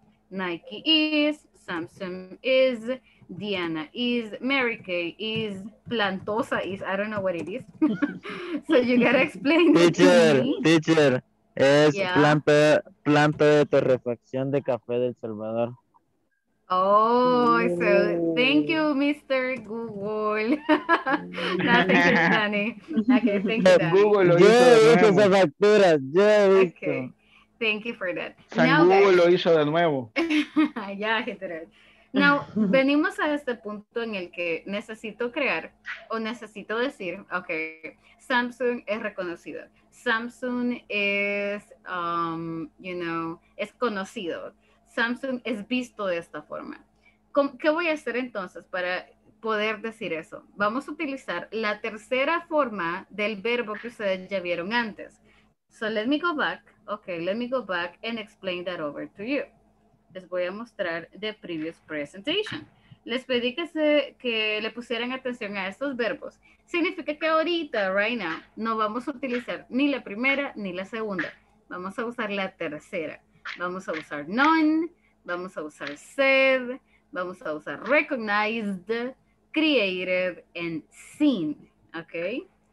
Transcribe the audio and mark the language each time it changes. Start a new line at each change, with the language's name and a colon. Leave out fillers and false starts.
English: Nike is, Samsung is, Diana is, Mary Kay is, Plantosa is, I don't know what it is. So you gotta explain.
Spanish: Teacher, es planta de torrefacción de café del Salvador.
English: Oh, so thank you, Mr. Google. Nothing is funny. Okay, thank you.
Spanish: Google lo hizo de nuevo. Okay,
English: thank you for that.
Spanish: Google lo hizo de nuevo. Ya, literal. Now, venimos a este punto en el que necesito crear o necesito decir, okay, Samsung es reconocido. Samsung es,
English: you know,
Spanish: es conocido. Samsung es visto de esta forma. ¿Qué voy a hacer entonces para poder decir eso? Vamos a utilizar la tercera forma del verbo que ustedes ya vieron antes.
English: So let me go back. Okay, let me go back and explain that over to you.
Spanish: Les voy a mostrar
English: the previous presentation.
Spanish: Les pedí que le pusieran atención a estos verbos. Significa que ahorita,
English: right now,
Spanish: no vamos a utilizar ni la primera ni la segunda. Vamos a usar la tercera. Vamos a usar none, vamos a usar said, vamos a usar
English: recognized, created, and seen,
Spanish: okay?